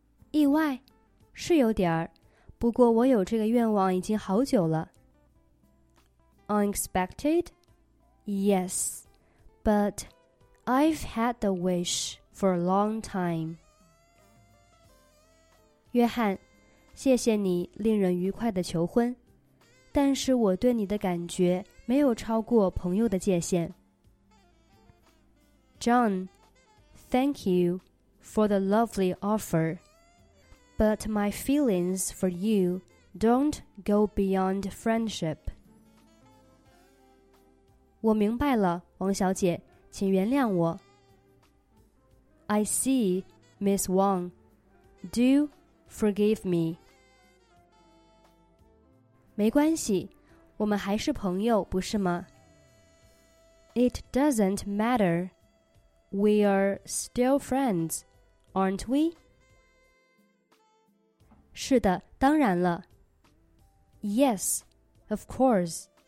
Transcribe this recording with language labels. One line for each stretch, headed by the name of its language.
Chinese: 意外，是有点儿。不过我有这个愿望已经好久了。
English: Unexpected? Yes, but I've had the wish for a long time.
Chinese: 约翰，谢谢你令人愉快的求婚，但是我对你的感觉没有超过朋友的界限。
English: John, thank you for the lovely offer. But my feelings for you don't go beyond friendship.
Chinese: 我明白了，王小姐，请原谅我。
English: I see, Miss Wang. Do forgive me.
Chinese: 没关系，我们还是朋友，不是吗？
English: It doesn't matter. We are still friends, aren't we?
Chinese: 是的，当然了。
English: Yes, of course.